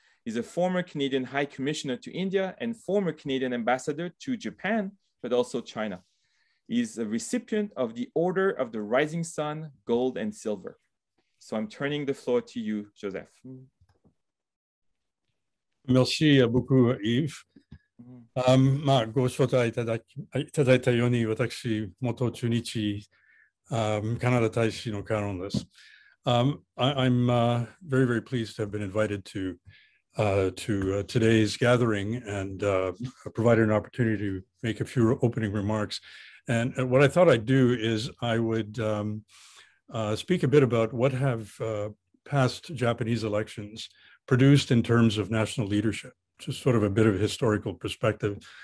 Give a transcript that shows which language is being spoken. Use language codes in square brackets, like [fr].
[en] He's a former Canadian High Commissioner to India and former Canadian ambassador to Japan, but also China. Is a recipient of the Order of the Rising Sun, Gold and Silver. So I'm turning the floor to you, Joseph. [fr] Merci beaucoup, Yves. [ja] まあ、ご招待いただいたように、私、元駐日、カナダ大使のカロンです。 [en] I'm very, very pleased to have been invited to today's gathering and provided an opportunity to make a few opening remarks. And what I thought I'd do is I would speak a bit about what have past Japanese elections produced in terms of national leadership, just sort of a bit of a historical perspective.